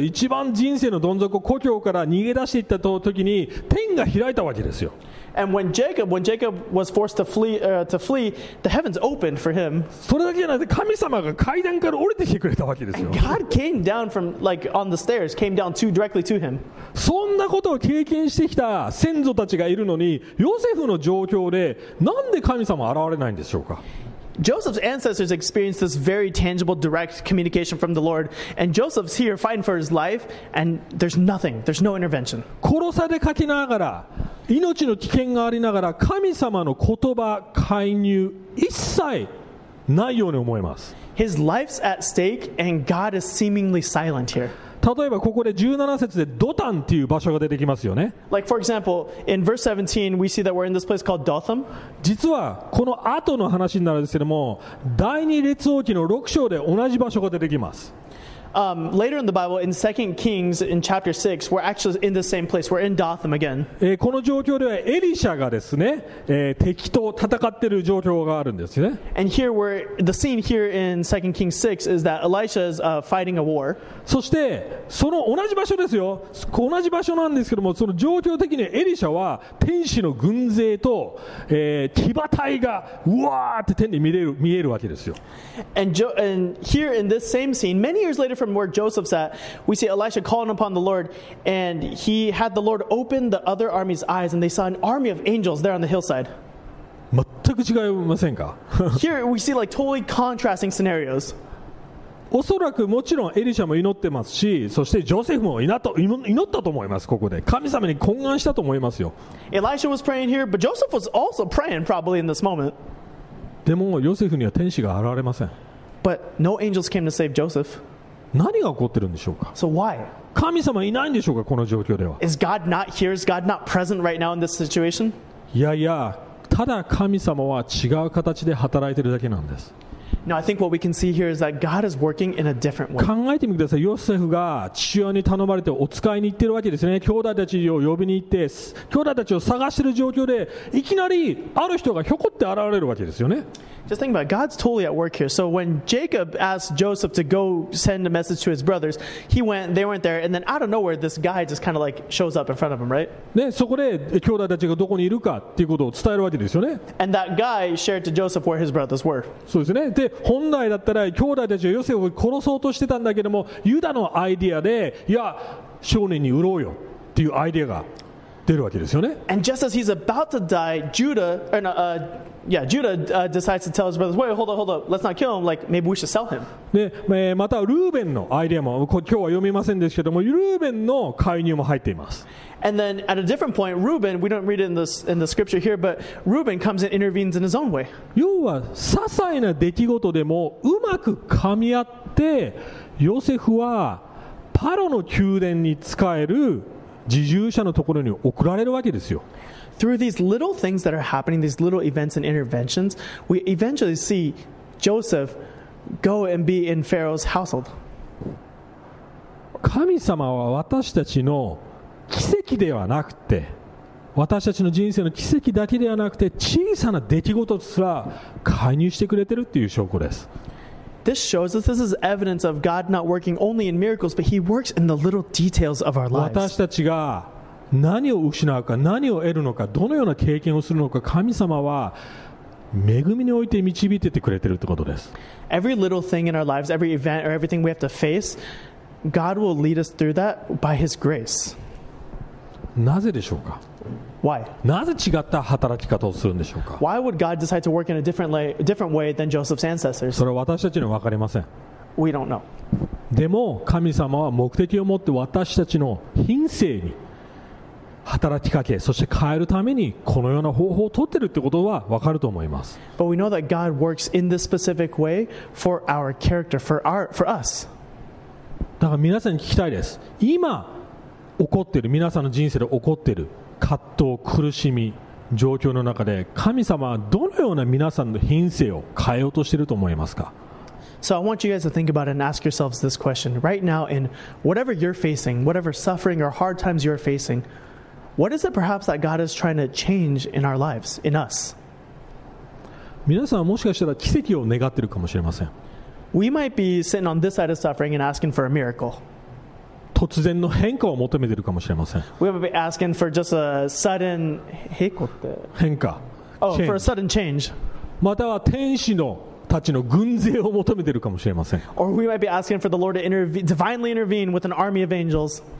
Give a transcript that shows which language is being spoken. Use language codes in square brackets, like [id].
[ja] 一番人生のどん底、故郷から逃げ出していったと時に天が開いたわけですよ。 [en] And when Jacob was forced to flee, the heavens opened for him. [ja] それだけじゃなくて神様が階段から降りてきてくれたわけですよ。 [en] And God came down from like on the stairs, came down to directly to him. [ja] そんなことを経験してきた先祖たちがいるのに、ヨセフの状況でなんで神様現れないんでしょうか。 [en] Joseph's ancestors experienced this very tangible direct communication from the Lord, and Joseph's here fighting for his life, and there's nothing, there's no intervention. [ja] 殺されかけながら、命の危険がありながら、神様の言葉介入一切ないように思います。 [en] His life's at stake and God is seemingly silent here. [ja] 例えばここで17節でドタンという場所が出てきますよね。 [en] Like for example, in verse 17 we see that we're in this place called Dotham. [ja] 実はこの後の話になるんですけども、第二列王記の6章で同じ場所が出てきます。 [en] Later in the Bible, in 2 Kings, in chapter 6, we're actually in the same place. We're in Dotham again. [ja] この状況ではエリシャがですね、敵と戦っている状況があるんですね。 [en] And here, the scene here in 2 Kings 6 is that Elisha is fighting a war. [ja] そしてその同じ場所ですよ。同じ場所なんですけども、その状況的にエリシャは天使の軍勢と、騎馬隊がうわーって天に見えるわけですよ。 [en] And here in this same scene, many years later. From where Joseph's at, we see Elisha calling upon the Lord, and he had the Lord open the other army's eyes, and they saw an army of angels there on the hillside. [ja] 全く違いませんか? [en] Here we see like totally contrasting scenarios. [ja] おそらくもちろんエリシャも祈ってますし、そしてジョセフも祈ったと思います。ここで神様に懇願したと思いますよ。 [en] Elisha was praying here, but Joseph was also praying probably in this moment. [ja] でもヨセフには天使が現れません。 [en] But no angels came to save Joseph. [ja] 何が起こってるんでしょうか。 [en] So why? [ja] 神様いないんでしょうか、この状況では。 [en] Is God not here? Is God not present right now in this situation? [ja] いやいや、ただ神様は違う形で働いてるだけなんです。 [en] Now, I think what we can see here is that God is working in a different way. [ja] 考えてみてください。ヨセフが父親に頼まれてお使いに行ってるわけですね。兄弟たちを呼びに行って、兄弟たちを探してる状況で、いきなりある人がひょこって現れるわけですよね。 [en] Just think about it. God's totally at work here. So when Jacob asked Joseph to go send a message to his brothers, he went, they weren't there, and then out of nowhere, this guy just kind of like shows up in front of him, right? [ja] ね、そこで兄弟たちがどこにいるかっていうことを伝えるわけですよね。 [en] And that guy shared to Joseph where his brothers were. [ja] そうですね。で、本来だったら兄弟たちはヨセフを殺そうとしてたんだけども、ユダのアイデアで、いや、少年に売ろうよっていうアイデアが出るわけですよね。 [en] And just as he's about to die, Judah decides to tell his brothers, wait, hold up, let's not kill him, like, maybe we should sell him. [ja] で、またルーベンのアイデアも、今日は読みませんですけども、ルーベンの介入も入っています。 [en] And then at a different point, Reuben, we don't read it in the scripture here, but Reuben comes and intervenes in his own way. [ja] 要は、些細な出来事でもうまく噛み合って、ヨセフはパロの宮殿に仕える侍従者のところに送られるわけですよ。 [en] Through these little things that are happening, these little events and interventions, we eventually see Joseph go and be in Pharaoh's household. [ja] 神様は私たちの奇跡ではなくて、私たちの人生の奇跡だけではなくて、小さな出来事すら介入してくれてるっていう証拠です。 [en] This shows us this is evidence of God not working only in miracles, but He works in the little details of our lives. [ja] 私たちが何を失うか、何を得るのか、どのような経験をするのか、神様は恵みにおいて導いててくれてるってことです。 [en] Every little thing in our lives, every event or everything we have to face, God will lead us through that by His grace. [ja] なぜでしょうか。 [en] Why? [ja] なぜ違った働き方をするんでしょうか。 [en] Why would God decide to work in a different way than Joseph's ancestors? [ja] それは私たちには分かりません。 [en] We don't know. [ja] でも神様は目的を持って私たちの品性に働きかけ、そして変えるためにこのような方法を取ってるってことは分かると思います。 [en] But we know that God works in this specific way for our character, for us. [ja] だから皆さんに聞きたいです。今起こっている、皆さんの人生で起こっている葛藤、苦しみ、状況の中で神様はどのような皆さんの品性を変えようとしていると思いますか。 [en] So I want you guys to think about it and ask yourselves this question. Right now, in whatever you're facing, whatever suffering or hard times you're facing,What is it perhaps that God is trying to change in our lives, in us? [ja] 皆さんはもしかしたら奇跡を願っているかもしれません。 [en] We might be sitting on this side of suffering and asking for a miracle. [ja] 突然の変化を求めているかもしれません。 [en] We might be asking for just a sudden [ja] 変化。変化。 [en] Oh, change. For a sudden change. [ja] または天使のたちの軍勢を求めているかもしれません。 [en] Or we might be asking for the Lord to divinely intervene with an army of angels.